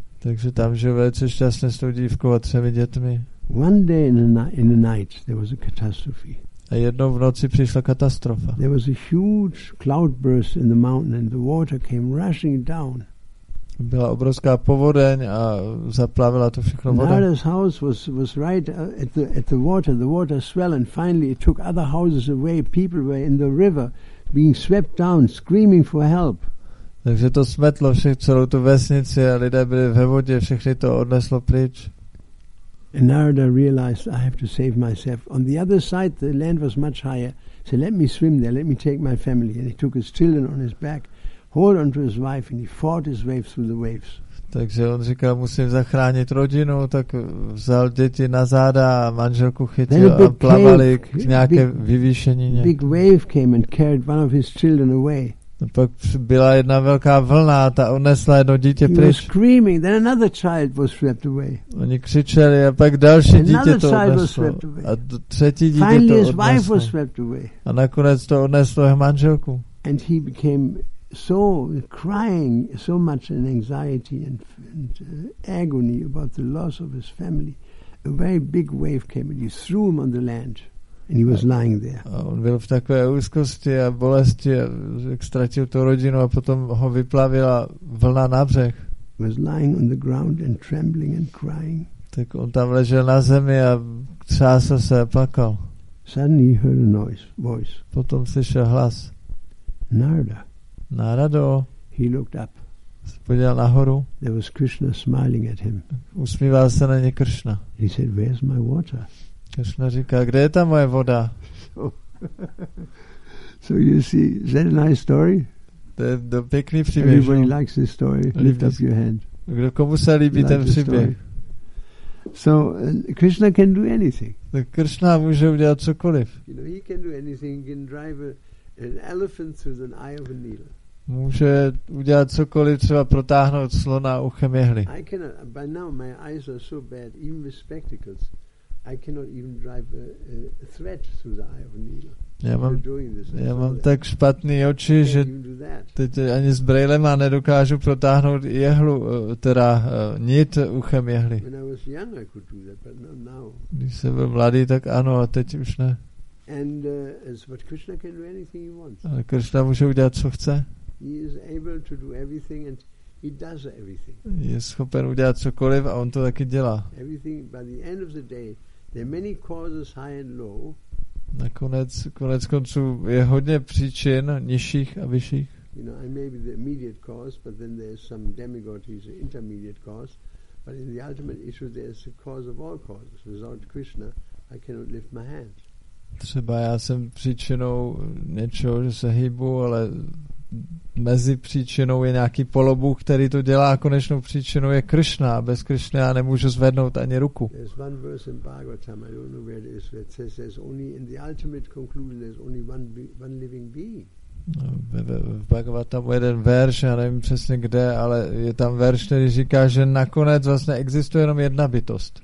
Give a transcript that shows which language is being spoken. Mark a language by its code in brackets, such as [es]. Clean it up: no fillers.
[cs] Takže tam žil velice šťastně s tou dívkou a třemi dětmi. [en] One day in the night there was a catastrophe. [cs] A jednou v noci přišla katastrofa. [en] There was a huge cloud burst in the mountain and the water came rushing down. [cs] Byla obrovská povodeň a zaplavila to všechno voda. [en] Narada's house was right at the water. The water swelled and finally it took other houses away. People were in the river being swept down screaming for help. [cs] Takže to smetlo celou tu vesnici a lidé byli ve vodě, všechny to odneslo pryč. [en] And Narada realized, I have to save myself. On the other side, the land was much higher. So let me swim there, let me take my family. And he took his children on his back, hold on to his wife and he fought his way through the waves. [cs] Takže on říkal, musím zachránit rodinu, tak vzal děti na záda a manželku chytil a plavali k nějaké vyvýšenině. [en] Big wave came and carried one of his children away. [cs] A pak byla jedna velká vlna a ta unesla jedno dítě [en] he [cs] pryč. [en] Was screaming, then another child was swept away. [cs] Oni křičeli a pak další [en] another [cs] dítě to uneslo. A třetí dítě [en] finally [cs] to [en] his wife was swept away. [cs] A nakonec to uneslo jeho manželku. [en] And he became so crying so much in anxiety and agony about the loss of his family, a very big wave came and he threw him on the land and he was lying there. [cs] A on byl v takové úzkosti a bolesti, jak ztratil tu rodinu a potom ho vyplavila vlna na břeh. [en] He was lying on the ground and trembling and crying. [cs] Tak on tam ležel na zemi a třásl se a plakal. [en] Suddenly he heard a noise, voice. [cs] Potom slyšel hlas. [en] Narada. [cs] Narado. [en] He looked up. [cs] Podíval nahoru. [en] There was Krishna smiling at him. [cs] Usmíval se na ně Krishna. [en] He said, "Where's my water?" [cs] Krishna říká, kde je ta moje voda? [en] So you see, is that a nice story? [cs] To je to pěkný příběh. [en] Everybody likes this story. Lift up your hand. [cs] Kdo komu se líbí ten příběh? [en] So Krishna can do anything. [cs] Tak Krishna může udělat cokoliv. [en] You know, he can do anything. He can drive an elephant through an eye of a needle. [cs] Může udělat cokoliv, třeba protáhnout slona uchem jehly. [en] I cannot, by now my eyes are so bad, even with spectacles, I cannot even drive a thread through the eye of a needle. [cs] Já mám tak špatný oči, že teď ani s brejlema nedokážu protáhnout jehlu, teda nit uchem jehly. [en] When I was young, I could do that, but not now. [cs] Když jsem byl mladý, tak ano, a teď už ne. [en] And as what Krishna can do anything he wants. [cs] Ale Krishna může udělat co chce. [en] He is able to do everything and he does everything. [cs] Je schopen udělat cokoliv a on to taky dělá. [en] Everything by the end of the day there are many causes high and low. [cs] Nakonec konec konců je hodně příčin nižších a vyšších. [en] You know, I may be the immediate cause, but then there's some demigod who's the intermediate cause, but in the ultimate issue there's the cause of all causes. Without Krishna I cannot lift my hand. [cs] Třeba já jsem příčinou něčeho, že se hýbu, ale mezi příčinou je nějaký polobůh, který to dělá, a konečnou příčinou je Krishna. Bez Krishna já nemůžu zvednout ani ruku. [en] There's one verse in Bhagavatam, I don't know where it is, where it says there's only in the ultimate conclusion there's only one living being. [cs] V Bhagavatam je jeden verš, já nevím přesně kde, ale je tam verš, který říká, že nakonec vlastně existuje jenom jedna bytost.